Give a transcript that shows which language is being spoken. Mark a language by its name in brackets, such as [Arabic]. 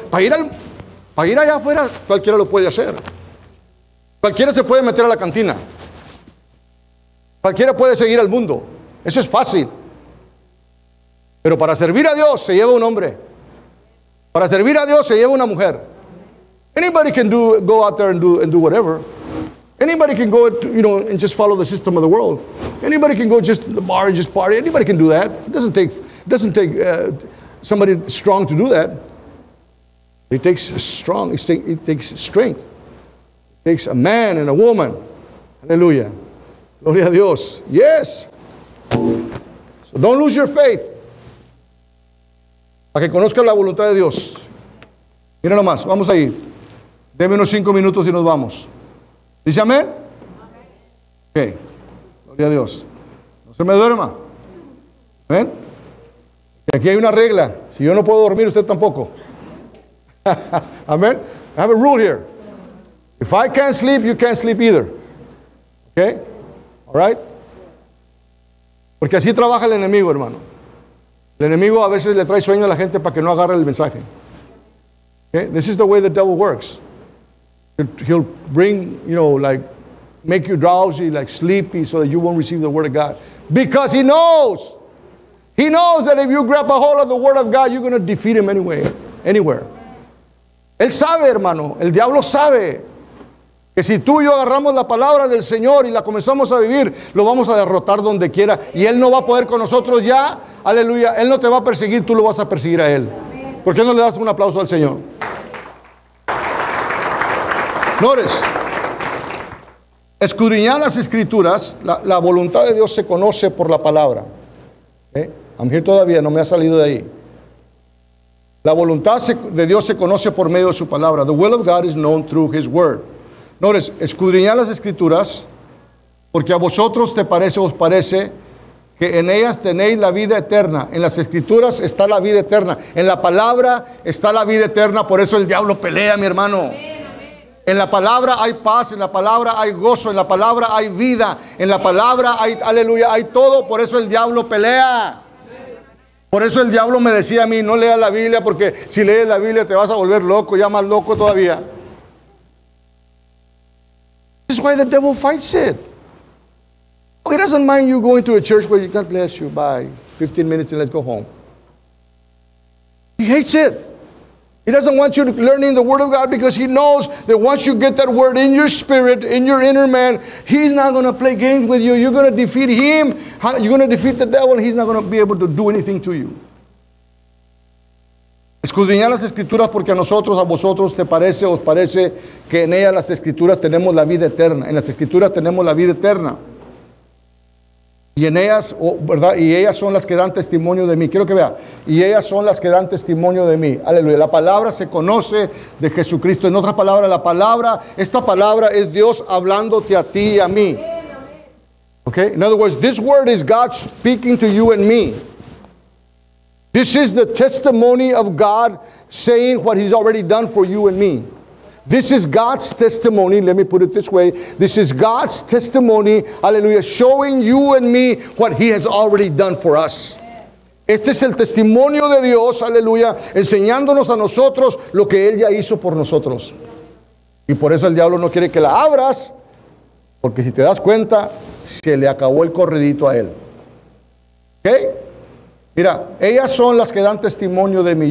[Spanish] Para ir allá afuera, cualquiera lo puede hacer. Cualquiera se puede meter a la cantina. Cualquiera puede seguir al mundo. Eso es fácil. Pero para servir a Dios se lleva un hombre. Para servir a Dios se lleva una mujer. [English] Anybody can go out there and do whatever. Anybody can go, you know, and just follow the system of the world. Anybody can go just to the bar and just party. Anybody can do that. It doesn't take somebody strong to do that. It takes strength. It takes a man and a woman. Hallelujah. [Spanish] Gloria a Dios. [English] Yes. So don't lose your faith. [Spanish] Para que conozcan la voluntad de Dios. Mira nomás, vamos ahí. Deme unos 5 minutos y nos vamos. ¿Dice amén? Ok. Gloria a Dios. No se me duerma. ¿Ven? Y aquí hay una regla. Si yo no puedo dormir, usted tampoco. Amén. [English] I have a rule here. If I can't sleep, you can't sleep either. Ok. All right. [Spanish] Porque así trabaja el enemigo, hermano. El enemigo a veces le trae sueño a la gente para que no agarre el mensaje. [English] Okay? This is the way the devil works. He'll bring, you know, like, make you drowsy, like sleepy, so that you won't receive the word of God. Because he knows that if you grab a hold of the word of God, you're going to defeat him anyway, anywhere. [Spanish] Él sabe, hermano, el diablo sabe que si tú y yo agarramos la palabra del Señor y la comenzamos a vivir, lo vamos a derrotar donde quiera, y él no va a poder con nosotros ya. Aleluya, él no te va a perseguir, tú lo vas a perseguir a él. ¿Por qué no le das un aplauso al Señor? Flores, escudriñar las escrituras, la voluntad de Dios se conoce por la palabra. ¿Eh? A mí todavía no me ha salido de ahí. La voluntad de Dios se conoce por medio de su palabra. [English] The will of God is known through his word. [Spanish] Flores, escudriñar las escrituras, porque a vosotros os parece que en ellas tenéis la vida eterna. En las escrituras está la vida eterna. En la palabra está la vida eterna. Por eso el diablo pelea, mi hermano. En la palabra hay paz, en la palabra hay gozo, en la palabra hay vida, en la palabra hay, aleluya, hay todo. Por eso el diablo pelea. Por eso el diablo me decía a mí, no leas la Biblia, porque si lees la Biblia te vas a volver loco, ya más loco todavía. [English] That's why the devil fights it. Oh, he doesn't mind you going to a church where you, God bless you, bye, 15 minutes and let's go home. He hates it. He doesn't want you learning the word of God, because he knows that once you get that word in your spirit, in your inner man, he's not going to play games with you. You're going to defeat him. You're going to defeat the devil. He's not going to be able to do anything to you. [Spanish] Escudriñad las escrituras, porque a vosotros, os parece que en ellas las escrituras tenemos la vida eterna. En las escrituras tenemos la vida eterna. Y en ellas, ¿verdad? Y ellas son las que dan testimonio de mí. Quiero que vea. Y ellas son las que dan testimonio de mí. Aleluya. La palabra se conoce de Jesucristo. En otras palabras, la palabra, esta palabra es Dios hablándote a ti y a mí. [English] Okay? In other words, this word is God speaking to you and me. This is the testimony of God saying what he's already done for you and me. This is God's testimony, let me put it this way. This is God's testimony, hallelujah, showing you and me what he has already done for us. [Spanish] Este es el testimonio de Dios, aleluya, enseñándonos a nosotros lo que él ya hizo por nosotros. Y por eso el diablo no quiere que la abras, porque si te das cuenta, se le acabó el corredito a él. ¿Ok? Mira, ellas son las que dan testimonio de mí.